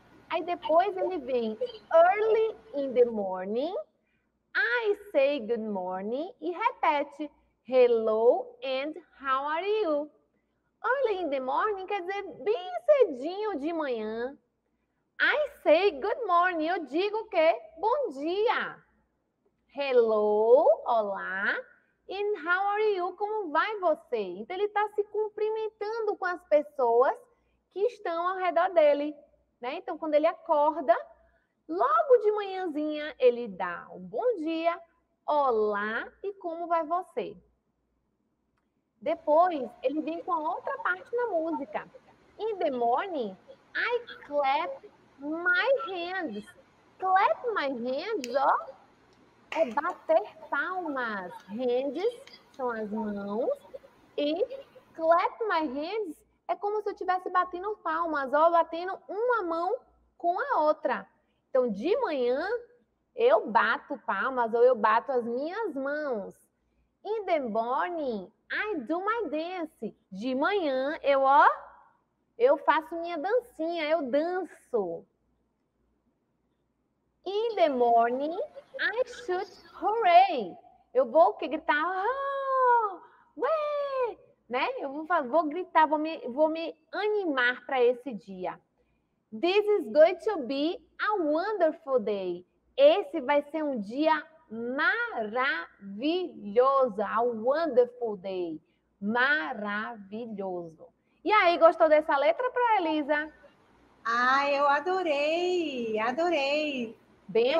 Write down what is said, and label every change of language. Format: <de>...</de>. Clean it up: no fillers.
<pt>Aí depois ele vem</pt> <en>early in the morning. I say good morning.</en> <pt>E repete.</pt> <en>Hello and how are you? Early in the morning</en> <pt>quer dizer bem cedinho de manhã.</pt> <en>I say good morning.</en> <pt>Eu digo que bom dia.</pt> <en>Hello, olá, and how are you?</en> <pt>Como vai você? Então, ele está se cumprimentando com as pessoas que estão ao redor dele, né? Então, quando ele acorda, logo de manhãzinha, ele dá um bom dia, olá, e como vai você? Depois, ele vem com a outra parte da música.</pt> <en>In the morning, I clap my hands. Clap my hands,</en> <pt>ó. É bater palmas. Hands são as mãos. E</pt> <en>clap my hands</en> <pt>é como se eu estivesse batendo palmas. Ó, batendo uma mão com a outra. Então, de manhã, eu bato palmas ou eu bato as minhas mãos.</pt> <en>In the morning, I do my dance.</en> <pt>De manhã, eu faço minha dancinha, eu danço.</pt> <en>In the morning, I shoot hooray.</en> <pt>Eu vou que gritar, oh, ué, né? Eu vou gritar, vou me animar para esse dia.</pt> <en>This is going to be a wonderful day.</en> <pt>Esse vai ser um dia maravilhoso.</pt> <en>A wonderful day.</en> <pt>Maravilhoso. E aí, gostou dessa letra para a Elisa? Ai, eu adorei, adorei. Bem eu</pt>